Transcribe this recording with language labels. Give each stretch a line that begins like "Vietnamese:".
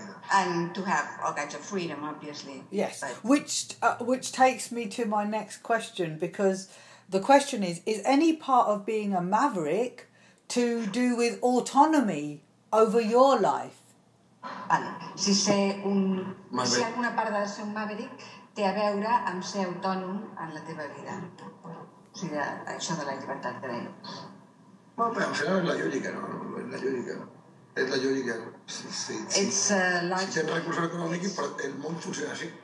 English: And to have all kinds of freedom, obviously. Yes. But which takes me to my next question, because the question is any part of being a maverick to do with autonomy over your life?
Catalan: Vale. si ser un Maverick. Si alguna part de ser un Maverick té a veure amb ser autònom en la teva vida. O sigui, això de la llibertat de veure.
Spanish: Bueno, pero al final es la lógica, ¿no? Es la lógica. Es la lógica. Si tienes recursos económicos, el mundo funciona así.